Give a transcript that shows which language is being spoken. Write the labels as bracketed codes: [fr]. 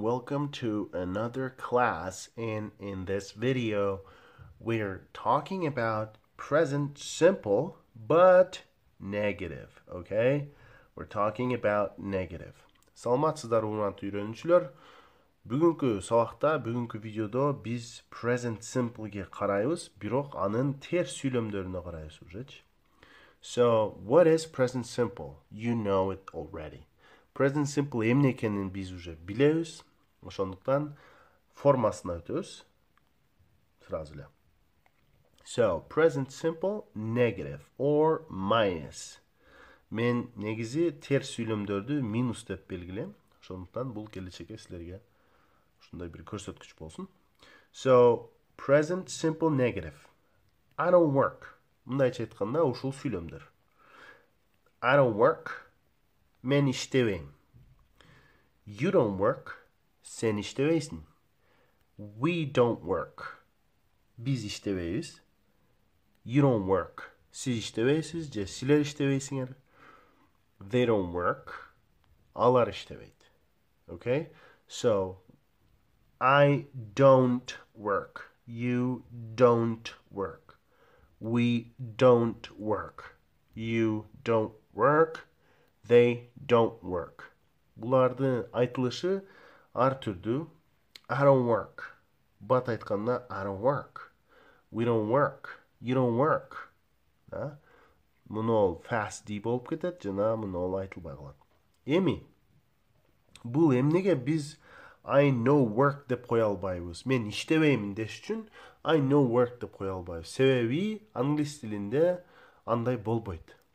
[en] Welcome to another class, and in this video we're talking about present simple but negative, okay? We're talking about negative. [ky] Саламатсыздар урматтуу үйрөнүүчүлөр. Бүгүнкү сабакта, бүгүнкү видеодо биз present simple-ге карайбыз, бирок анын терс сүйлөмдөрүнө карайбыз ужечи. [en] So, what is present simple? You know it already. [ky] Present simple эмне экенин биз уже билебиз. Ошондуктан формасына өтөбүз. [en] Сразу эле. So, present simple negative or minus. [ky] Мен негизи терс сүйлөмдөрдү минус деп белгилейм. Ошондуктан бул келечекте силерге ушундай бир көрсөткүч болсун. [en] So, present simple negative. I don't work. [ky] Мындайча айтканда ушул сүйлөмдөр. [en] I don't work. [ky] Мен иштебейм. [en] You don't work. [ky] Сен иштебейсиң. [en] We don't work. [ky] Биз иштебейбиз. [en] You don't work. [ky] Сиз иштебейсиз же силер иштебейсиңер. [en] They don't work. [ky] Алар иштебейт. Okay? [en] So, I don't work. You don't work. We don't work. You don't work. They don't work. [ky] Буларды айтылышы ар түрдүү. [en] I don't work. [ky] Бат айтканда [en] I don't work. We don't work. You don't work. Да? [ky] Муну ол fast D болуп кетет, жана муну ол айтылбай калат. Эми, бул эмнеге биз [en] I know work [ky] деп коя албайбыз? Мен иштебеймин деш үчүн [en] I know work [ky] деп коя албайбыз. Себеби англис тилинде андай болбойт.